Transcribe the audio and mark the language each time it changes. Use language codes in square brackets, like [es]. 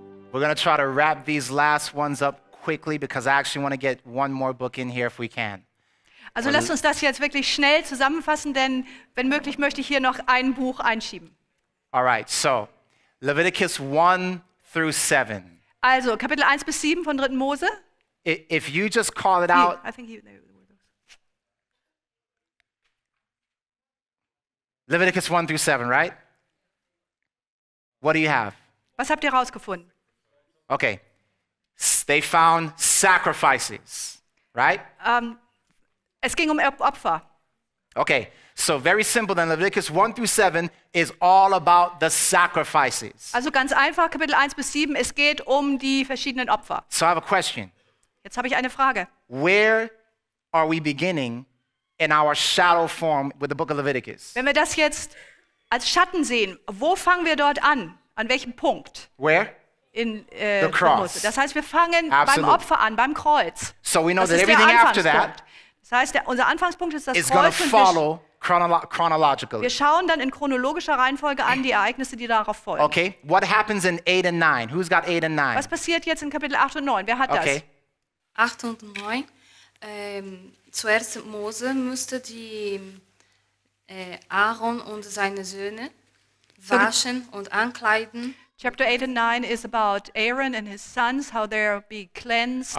[en] we're going to try to wrap these last ones up quickly because I actually want to get one more book in here if we can. [de] Also, lasst uns das jetzt wirklich schnell zusammenfassen, denn wenn möglich möchte ich hier noch ein Buch einschieben. [en] All right. So, Leviticus 1 through 7. [de] Also, Kapitel 1 bis 7 von 3. Mose. [en] If you just call it out. I think he Leviticus 1 through 7, right? What do you have? [de] Was habt ihr rausgefunden? [en] Okay. They found sacrifices, right? [de] Es ging um Opfer. [en] Okay. So very simple then. Leviticus 1 through 7 is all about the sacrifices. [de] Also ganz einfach, Kapitel 1 bis 7, es geht um die verschiedenen Opfer. [en] So I have a question. [de] Jetzt habe ich eine Frage. [en] Where are we beginning in our shadow form with the book of Leviticus? [de] Wenn wir das jetzt als Schatten sehen, wo fangen wir dort an? An welchem Punkt? [en] Where? In the cross. [de] Das heißt, wir fangen [en] Absolutely. [de] Beim Opfer an, beim Kreuz. [en] So we know [de] das [en] that everything after that. [de] Das heißt, unser Anfangspunkt ist das [en] is [de] Kreuz. [en] Follow chronologically. [de] Wir schauen dann in chronologischer Reihenfolge an die Ereignisse, die darauf folgen. [en] Okay. What happens in 8 and 9? Who's got 8 and 9? [de] Was passiert jetzt in Kapitel 8 und 9? Wer hat okay. das? 8 und 9. Zuerst Mose müsste die Aaron und seine Söhne waschen und ankleiden. [en] Chapter 8 and 9 is about Aaron and his sons, how they're be cleansed